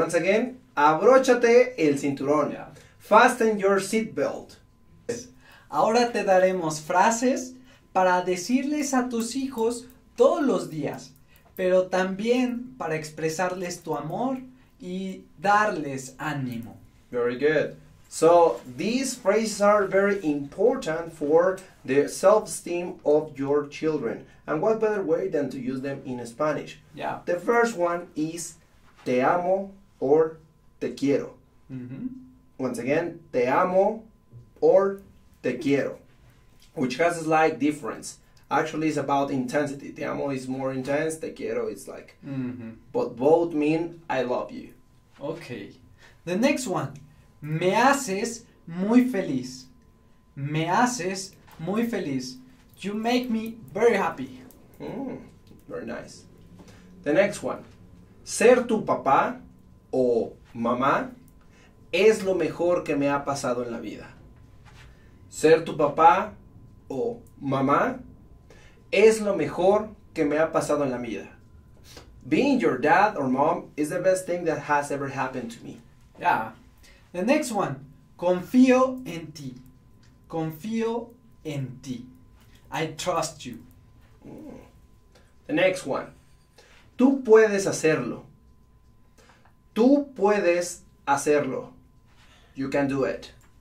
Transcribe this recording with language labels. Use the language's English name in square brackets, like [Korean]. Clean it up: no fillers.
[English] Once again, [Spanish] abróchate el cinturón. [English] Yeah. Fasten your seatbelt. [Spanish] Ahora te daremos frases para decirles a tus hijos todos los días, pero también para expresarles tu amor y darles ánimo. [English] Very good. So, these phrases are very important for the self-esteem of your children. And what better way than to use them in Spanish? Yeah. The first one is te amo or te quiero. Mm-hmm. Once again, te amo or te quiero, which has a slight difference. Actually, it's about intensity. Te amo is more intense, te quiero is like. Mm-hmm. But both mean I love you. Okay. The next one. [Spanish] Me haces muy feliz. Me haces muy feliz. [English] You make me very happy. Very nice. The next one. [Spanish] Ser tu papá o mamá es lo mejor que me ha pasado en la vida. Ser tu papá o mamá es lo mejor que me ha pasado en la vida. [English] Being your dad or mom is the best thing that has ever happened to me. Yeah. The next one, [Spanish] confío en ti, confío en ti, [English] I trust you. The next one, [Spanish] tú puedes hacerlo, tú puedes hacerlo, [English] you can do it.